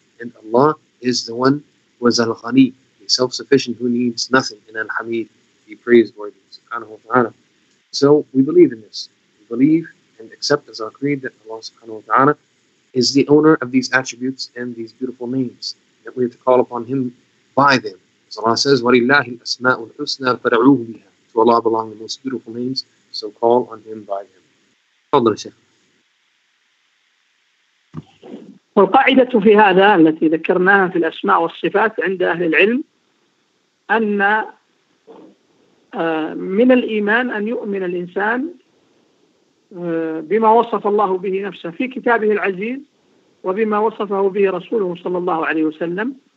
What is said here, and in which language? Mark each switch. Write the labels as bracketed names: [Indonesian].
[English] And Allah is the one who is al-ghani, the self-sufficient, who needs nothing, and al-hamid, be praiseworthy, subhanahu wa ta'ala. So we believe in this. We believe and accept as our creed that Allah subhanahu wa ta'ala is the owner of these attributes and these beautiful names, that we have to call upon him by them. As Allah says, [Arabic] وَلِلَّهِ الْأَسْمَاءُ الْحُسْنَى فَدَعُوهُ بِهَا. [English] To Allah belong the most beautiful names, so call on him by them. [Arabic] Fadl al-Shaykh. والقاعدة في هذا التي ذكرناها في الأسماء والصفات عند أهل العلم أن من الإيمان أن يؤمن الإنسان بما وصف الله به نفسه في كتابه العزيز وبما وصفه به رسوله صلى الله عليه وسلم